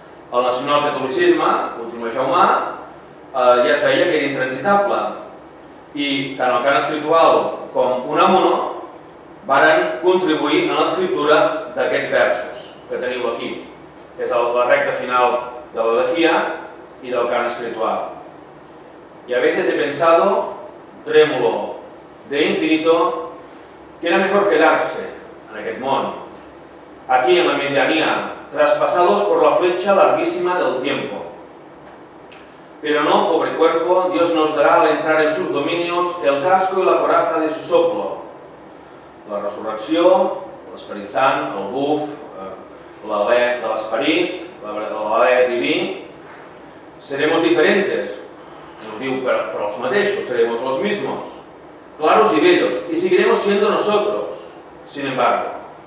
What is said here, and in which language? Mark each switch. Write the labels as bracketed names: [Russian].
[Catalan] El nacionalcatolicisme, continua Jaumà, ja es veia que era intransitable i tant el cant espiritual com Unamuno varen contribuir a l'escriptura d'aquests versos que teniu aquí, que és la recta final de l'elegia i del cant espiritual. [Spanish] Y a veces he pensado, trémulo, de infinito, que era mejor quedarse en [Catalan] aquest món, aquí [Spanish] en la medianía, traspasados por la flecha larguísima del tiempo. Pero no, pobre cuerpo, Dios nos dará al entrar en sus dominios el casco y la coraza de su soplo. [Catalan] La resurrecció, l'esperit sant, el buf, l'alè de l'esperit, l'alè diví, [Spanish] seremos diferentes, [Catalan] nos diu, però els mateixos, [Spanish] seremos los mismos, claros y bellos, y seguiremos siendo nosotros, sin embargo.